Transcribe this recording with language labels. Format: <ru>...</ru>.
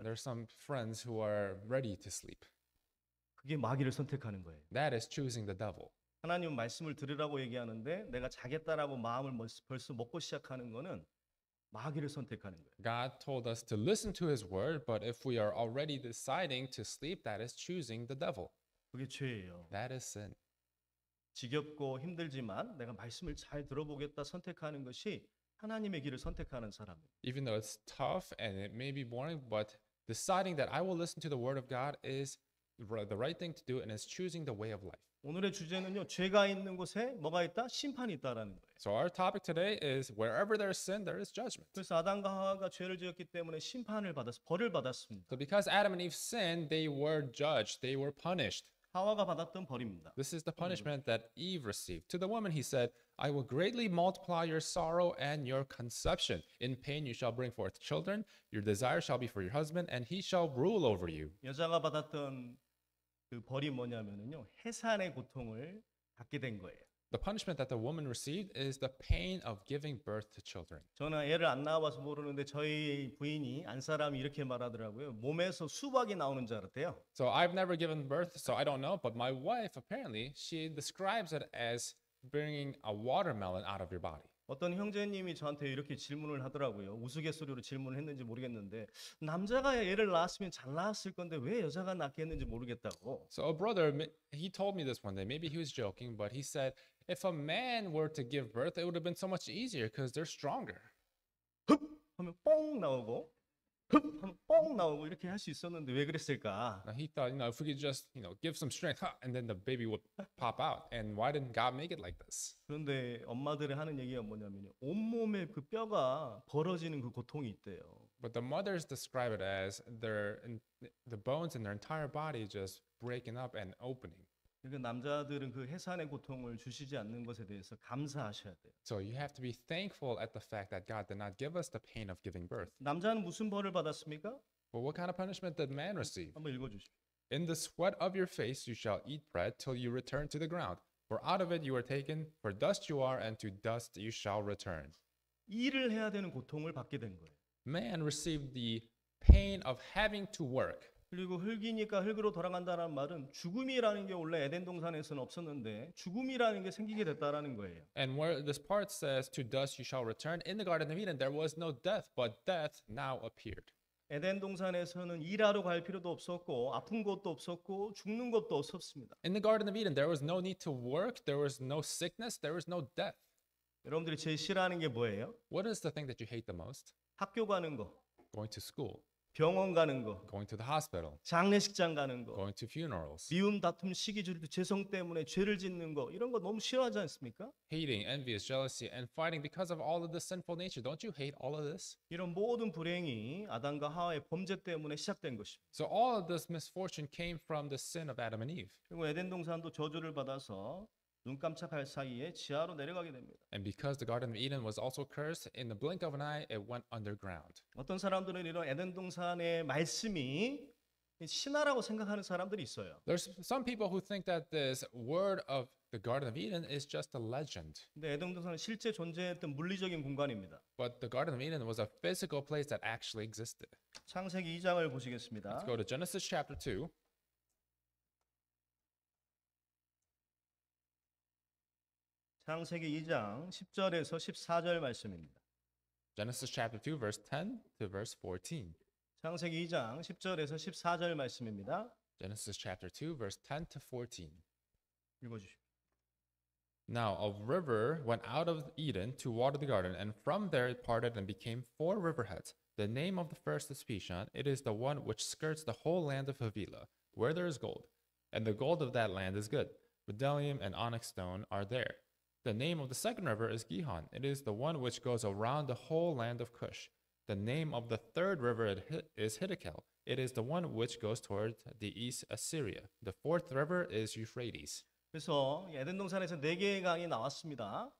<en>There are some friends who are ready to sleep.</en> <ko>그게 마귀를 선택하는 거예요.</ko> <en>That is choosing the devil.</en> <ko>하나님은 말씀을 들으라고 얘기하는데 내가 자겠다라고 마음을 벌써 먹고 시작하는 거는 마귀를 선택하는 거예요.</ko> <en>God told us to listen to his word, but if we are already deciding to sleep, that is choosing the devil.</en> <ko>그게 죄예요.</ko> <en>That is sin.</en> <ko>지겹고 힘들지만 내가 말씀을 잘 들어보겠다 선택하는 것이 하나님의 길을 선택하는 사람.</ko> <en>Even though it's tough and it may be boring, but deciding that I will listen to the word of God is the right thing to do and is choosing the way of life.</en> <ko>오늘의 주제는요, 죄가 있는 곳에 뭐가 있다? 심판이 있다라는 거예요.</ko> <en>So our topic today is wherever there is sin, there is judgment.</en> <ko>그래서 아담과 하와가 죄를 지었기 때문에 심판을 받았어, 벌을 받았습니다.</ko> <en>So because Adam and Eve sinned, they were judged, they were punished.</en> <ko>하와가 받았던 벌입니다.</ko> <en>This is the punishment that Eve received. To the woman, he said, I will greatly multiply your sorrow and your conception. In pain you shall bring forth children. Your desire shall be for your husband, and he shall rule over you.</en> <ko>여자가 받았던 그 벌이 뭐냐면요, 해산의 고통을 받게 된 거예요.</ko> <en>The punishment that the woman received is the pain of giving birth to children.</en> <ko>저는 애를 안 낳아봐서 모르는데 저희 부인이 안 사람이 이렇게 말하더라고요. 몸에서 수박이 나오는 줄 알았대요.</ko> <en>So I've never given birth, so I don't know. But my wife, apparently, she describes it as bringing a watermelon out of your body.</en> <ko>어떤 형제님이 저한테 이렇게 질문을 하더라고요. 우스갯소리로 질문을 했는지 모르겠는데 남자가 애를 낳았으면 잘 낳았을 건데 왜 여자가 낳게 했는지 모르겠다고.</ko> <en>So a brother, he told me this one day. Maybe he was joking, but he said if a man were to give birth, it would have been so much easier because they're stronger.</en> <ko>흡! 하면 뽕 나오고 흡! 하면 뽕 나오고 이렇게 할 수 있었는데 왜 그랬을까?</ko> <en>Now he thought, you know, if we could just, you know, give some strength, huh, and then the baby would pop out. And why didn't God make it like this?</en> <ko>그런데 엄마들이 하는 얘기가 뭐냐면 온몸에 그 뼈가 벌어지는 그 고통이 있대요.</ko> <en>But the mothers describe it as the bones in their entire body just breaking up and opening.</en> <ko>그러니까 남자들은 그 해산의 고통을 주시지 않는 것에 대해서 감사하셔야 돼요.</ko> <en>So you have to be thankful at the fact that God did not give us the pain of giving birth.</en> <ko>남자는 무슨 벌을 받았습니까?</ko> <en>Well, what kind of punishment did man receive?</en> <ko>한번 읽어주시죠.</ko> <en>In the sweat of your face you shall eat bread till you return to the ground. For out of it you are taken, for dust you are, and to dust you shall return.</en> <ko>일을 해야 되는 고통을 받게 된 거예요.</ko> <en>Man received the pain of having to work.</en> <ko>그리고 흙이니까 흙으로 돌아간다는 말은 죽음이라는 게 원래 에덴 동산에서는 없었는데 죽음이라는 게 생기게 됐다라는 거예요.</ko> <en>And where this part says to dust you shall return, in the Garden of Eden there was no death, but death now appeared.</en> <ko>에덴 동산에서는 일하러 갈 필요도 없었고 아픈 것도 없었고 죽는 것도 없었습니다.</ko> <en>In the Garden of Eden there was no need to work, there was no sickness, there was no death.</en> <ko>여러분들이 제일 싫어하는 게 뭐예요?</ko> <en>What is the thing that you hate the most?</en> <ko>학교 가는 거.</ko> <en>Going to school.</en> <ko>병원 가는 거,</ko> <en>going to the hospital,</en> <ko>장례식장 가는 거,</ko> <en>going to funerals,</en> <ko>미움, 다툼, 시기, 질투, 죄성 때문에 죄를 짓는 거, 이런 거 너무 싫어하지 않습니까?</ko> <en>Hating, envious, jealousy, and fighting because of all of the sinful nature. Don't you hate all of this?</en> <ko>이런 모든 불행이 아담과 하와의 범죄 때문에 시작된 것입니다.</ko> <en>So all of this misfortune came from the sin of Adam and Eve.</en> <ko>그리고 에덴 동산도 저주를 받아서 눈 깜짝할 사이에 지하로 내려가게 됩니다.</ko> <en>And because the Garden of Eden was also cursed, in the blink of an eye, it went underground.</en> <ko>어떤 사람들은 이런 에덴 동산의 말씀이 신화라고 생각하는 사람들이 있어요.</ko> <en>There's some people who think that this word of the Garden of Eden is just a legend.</en> <ko>근데 에덴 동산은 실제 존재했던 물리적인 공간입니다.</ko> <en>But the Garden of Eden was a physical place that actually existed.</en> <ko>창세기 2장을 보시겠습니다.</ko> <en>Let's go to Genesis chapter 2.</en> <ko>창세기 2장 10절에서 14절 말씀입니다.</ko> <en>Genesis chapter 2 verse 10 to verse 14.</en> <ko>창세기 2장 10절에서 14절 말씀입니다.</ko> <en>Genesis chapter 2 verse 10 to 14.</en> <ko>읽어주십시오.</ko> <en>Now a river went out of Eden to water the garden, and from there it parted and became four riverheads. The name of the first is Pishon. It is the one which skirts the whole land of Havilah, where there is gold. And the gold of that land is good. bdellium, and onyx stone are there. The name of the second river is Gihon. It is the one which goes around the whole land of Cush. The name of the third river is Hiddekel. It is the one which goes toward the east Assyria. The fourth river is Euphrates.</en> <ko>그래서 에덴 동산에서 네 개의 강이 나왔습니다.</ko>